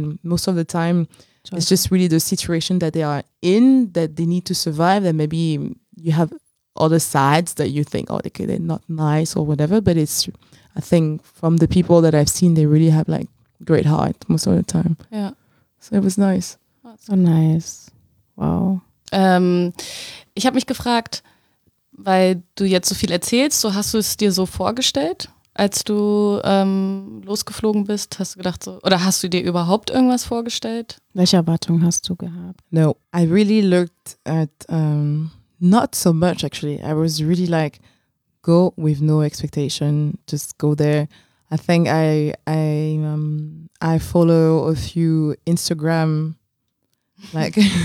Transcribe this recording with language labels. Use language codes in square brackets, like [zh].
[en] And most of the time, it's just really the situation that they are in, that they need to survive, that maybe you have other sides that you think, oh, okay, they're not nice or whatever. But it's, I think from the people that I've seen, they really have like great heart most of the time. Yeah. So it was nice. So nice. Wow. [de] Ich habe mich gefragt, weil du jetzt so viel erzählst, so hast du es dir so vorgestellt, als du losgeflogen bist? Hast du gedacht so, oder hast du dir überhaupt irgendwas vorgestellt? Welche Erwartungen hast du gehabt? [en] No, I really looked at, not so much actually. I was really like, go with no expectation, just go there. I think I follow a few Instagram, like...